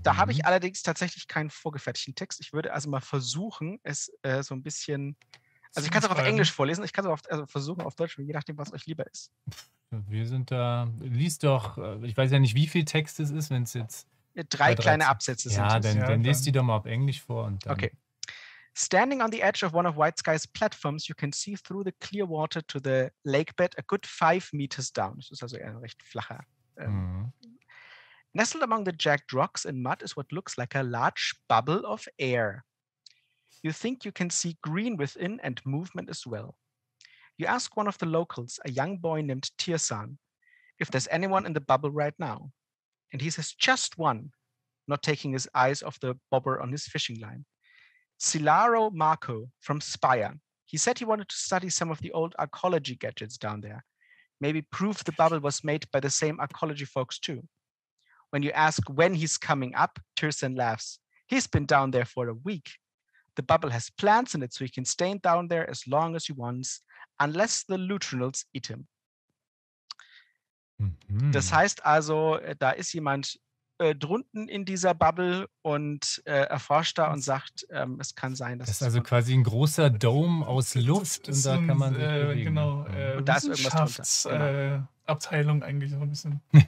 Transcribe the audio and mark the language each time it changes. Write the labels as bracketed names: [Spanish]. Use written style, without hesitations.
[German] Da habe ich allerdings tatsächlich keinen vorgefertigten Text. Ich würde also mal versuchen, es so ein bisschen. Also, ich kann es auch auf Englisch vorlesen. Ich kann es auch versuchen auf Deutsch, je nachdem, was euch lieber ist. Wir sind da. Lies doch. Ich weiß ja nicht, wie viel Text es ist, wenn es jetzt. 3 kleine Absätze sind. Ja, dann liest die doch mal auf Englisch vor. Und dann. Okay. [English] Standing on the edge of one of White Sky's platforms, you can see through the clear water to the lake bed a good 5 meters down. [German] Das ist also eher ein recht flacher. [English] Nestled among the jagged rocks and mud is what looks like a large bubble of air. You think you can see green within and movement as well. You ask one of the locals, a young boy named Tirsan, if there's anyone in the bubble right now. And he says, just one, not taking his eyes off the bobber on his fishing line. Silaro Marco from Spire. He said he wanted to study some of the old arcology gadgets down there. Maybe prove the bubble was made by the same arcology folks too. When you ask when he's coming up, Tirsan laughs. He's been down there for a week. The bubble has plants in it, so he can stay down there as long as he wants, unless the Lutrinals eat him. [German] Das heißt also, da ist jemand drunten in dieser Bubble und erforscht da und sagt, es kann sein, dass... Das ist also quasi ein großer Dome aus Luft und da kann man sich bewegen. Genau, und da ist irgendwas drunter. Abteilung eigentlich auch ein bisschen.